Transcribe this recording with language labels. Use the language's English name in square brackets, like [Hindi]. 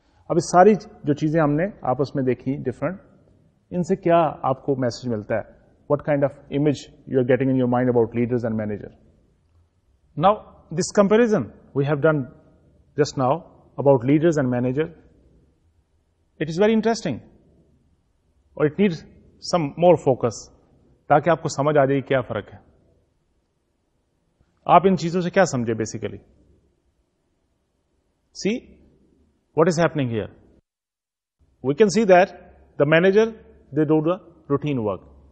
[Urdu] اب ساری جو چیزیں ہم نے آپس میں دیکھی ڈفرنٹ ان سے کیا آپ کو میسج ملتا ہے [English] what kind of image you are getting in your mind about leaders and manager. Now, this comparison we have done just now about leaders and manager, it is very interesting. Or it needs some more focus. [Urdu] تاکہ آپ کو سمجھ آ جائے کیا فرق ہے. آپ ان چیزوں سے کیا سمجھے basically. [English] See, what is happening here? We can see that the manager, they do the routine work.